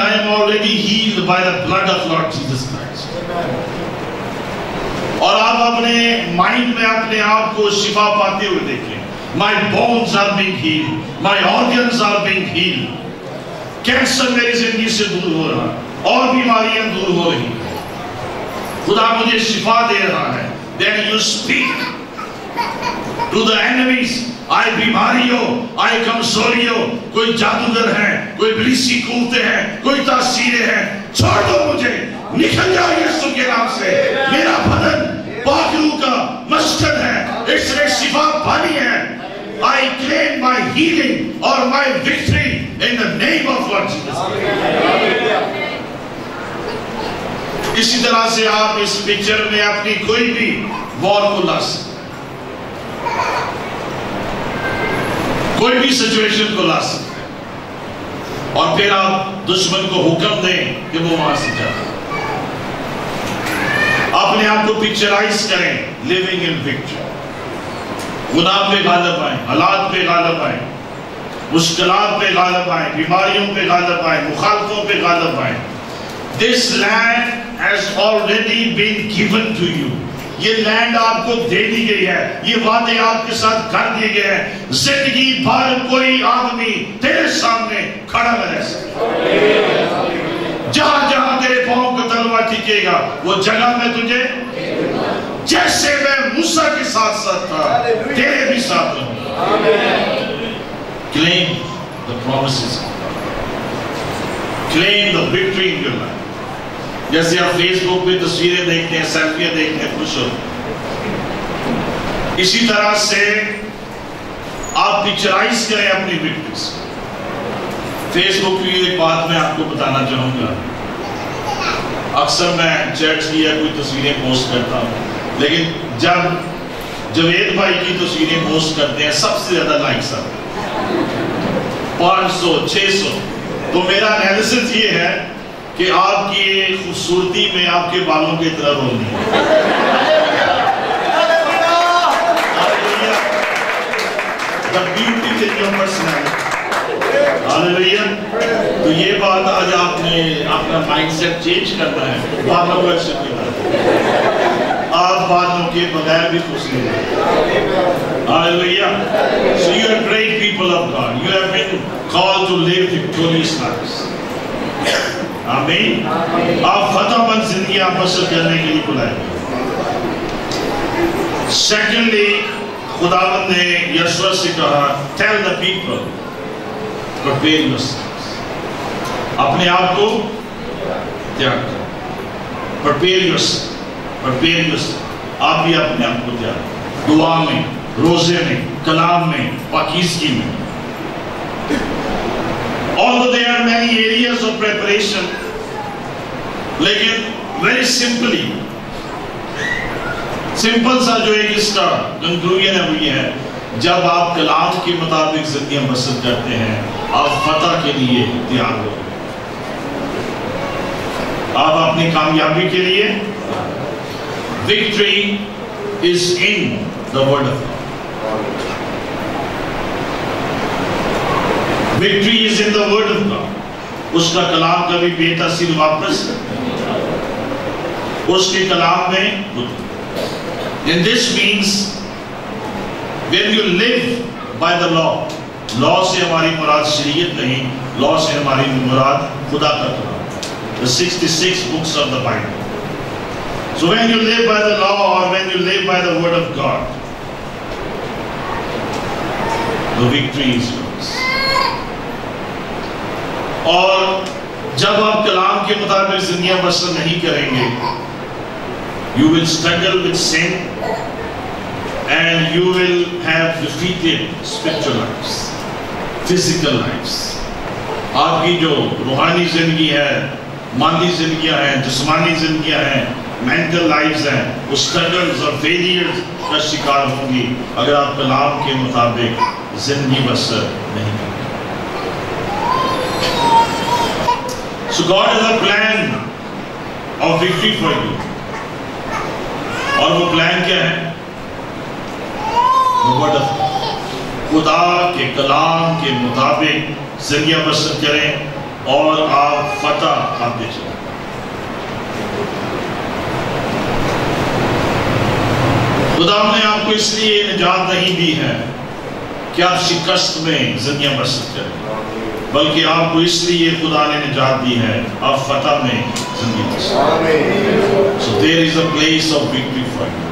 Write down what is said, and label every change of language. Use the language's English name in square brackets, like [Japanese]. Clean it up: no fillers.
[English] I am already healed by the blood of Lord Jesus Christ. [Urdu] اور آپ اپنے mind میں اپنے آپ کو شفا پاتے ہوئے دیکھیں. [English] My bones are being healed. My organs are being healed. [Urdu] Cancer میری زندگی سے دور ہو رہا ہے اور بیماریاں دور ہو رہی ہیں. خدا مجھے شفا دے رہا ہے. [English] Then you speak to the enemies. [Urdu] آئے بیماری ہو, آئے کمزوری ہو, کوئی جادوگر ہے, کوئی بلیسی کوتے ہیں, کوئی تاثیریں ہیں, چھوڑ دو مجھے, نکل جاؤ یسوع کے نام سے. میرا بدن پاک روح کا مسکن ہے, اس نے شفا پانی ہے. [English] I claim my healing or my victory in the name of Lord Jesus. [Urdu] اسی طرح سے آپ اس پکچر میں اپنی کوئی بھی وار کو لا کوئی بھی سچویشن کو لا سکتے, اور پھر آپ دشمن کو حکم دیں کہ وہ وہاں سے جائے. اپنے آپ کو پکچرائز کریں [English] Living in victory. [Urdu] خدا پہ غالب آئیں, حالات پہ غالب آئیں, مشکلات پہ غالب آئیں, بیماریوں پہ غالب آئیں, مخالفوں پہ غالب آئیں. [English] This land has already been given to you. [Urdu] یہ لینڈ آپ کو دے دی گئی ہے, یہ وعدے آپ کے ساتھ کر دیے گئے ہیں. زندگی بھر کوئی آدمی تیرے سامنے کھڑا نہ رہ سکتا. جہاں جہاں تیرے پاؤں کا تلوا ٹکے گا وہ جگہ میں تجھے, جیسے میں موسیٰ کے ساتھ ساتھ تھا تیرے بھی ساتھ ہوں. [English] Claim the promises, claim the victory in your life. [Urdu] جیسے آپ فیس بک پہ تصویریں دیکھتے ہیں, سیلفیاں دیکھتے ہیں, خوش ہو, اسی طرح سے آپ پکچرائز کریں اپنی وکٹریز. فیس بک کی ایک بات میں آپ کو بتانا چاہوں گا. اکثر میں چیٹس کی یا کوئی تصویریں پوسٹ کرتا ہوں, لیکن جب جاوید بھائی کی تصویریں پوسٹ کرتے ہیں سب سے زیادہ لائکس آتے ہیں, 500-600. تو میرا انالیسس یہ ہے کہ آپ کی خوبصورتی میں آپ کے بالوں کی طرح رول نہیں ہے. [English] The beauty is in your personality. [Urdu] ہالیلویہ. تو یہ بات آج آپ نے اپنا مائنڈ سیٹ چینج کرنا ہے. بالوں کا شکر ہے, آپ بالوں کے بغیر بھی خوش نہیں ہیں. ہالیلویہ. [English] So you are great people of God, you have been called to live victorious lives. آمین. [Urdu] آپ فتح مند زندگیاں بسر کرنے کے لیے بلائے. [English] secondly, [Urdu] خداوند نے یسوع سے کہا, [English] Tell the people prepare yourselves. [Urdu] اپنے آپ کو تیار کرو. [English] Prepare yourself, prepare yourself. [Urdu] آپ بھی اپنے آپ کو تیار کرو, دعا میں, روزے میں, کلام میں, پاکیزگی میں. [English] Although there are many areas of preparation, [Urdu] لیکن [English] very simply, [Urdu] simple سا جو ایک اس کا conclusion ہے وہ یہ ہے, جب آپ کلام کے مطابق زندگیاں بسر کرتے ہیں آپ فتح کے لیے تیار ہو. آپ اپنی کامیابی کے لیے, [English] victory is in the word of God. Victory is in the word of God. [Urdu] اس کا کلام کبھی بے تاثیر واپس, اس کے کلام میں بدلو. [English] And this means when you live by the law, [Urdu] law سے ہماری مراد شریعت نہیں, law سے ہماری مراد خدا کا قرآن, [English] the 66 books of the Bible. So when you live by the law or when you live by the word of God, the victory is yours. [Urdu] اور جب آپ کلام کے مطابق زندگیاں بسر نہیں کریں گے, [English] You will struggle with sin and you will have defeated spiritual lives, physical lives. [Urdu] آپ کی جو روحانی زندگی ہے, مادی زندگیاں ہیں, جسمانی زندگیاں ہیں, مینٹل لائفز ہیں, وہ اسٹرگلز اور فیلئرز کا شکار ہوں گی اگر آپ کلام کے مطابق زندگی بسر نہیں کریں. [English] So God has a plan of victory for you. [Urdu] اور وہ plan کیا ہے؟ [English] The word of God. [Urdu] خدا کے کلام کے مطابق زندگی بسر کریں اور آپ فتح پاتے چلیں. خدا نے آپ کو اس لیے نجات نہیں دی ہے کہ آپ شکست میں زندگی بسر کریں، بلکہ آپ کو اس لیے خدا نے نجات دی ہے آپ فتح میں زندگی بسر. [English] So there is a place of victory for you.